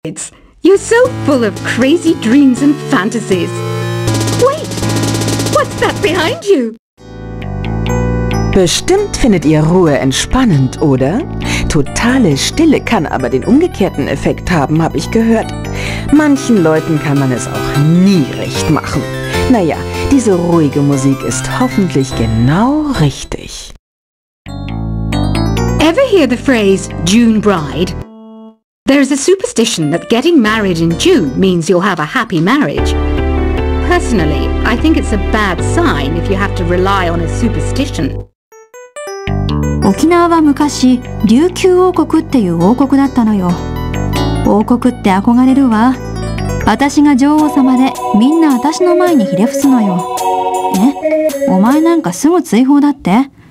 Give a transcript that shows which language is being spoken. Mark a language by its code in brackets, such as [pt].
[en] Besides, you're so full of crazy dreams and fantasies. Wait, what's that behind you? [de] Bestimmt findet ihr Ruhe entspannend, oder? Totale Stille kann aber den umgekehrten Effekt haben, habe ich gehört. Manchen Leuten kann man es auch nie recht machen. Naja, diese ruhige Musik ist hoffentlich genau richtig. [en] Ever hear the phrase June Bride? There is a superstition that getting married in June means you'll have a happy marriage. Personally, I think it's a bad sign if you have to rely on a superstition. [ja] 沖縄は昔、琉球王国っていう王国だったのよ。王国って憧れるわ。私が女王様で、みんな私の前にひれ伏すのよ。え？お前なんかすぐ追放だって？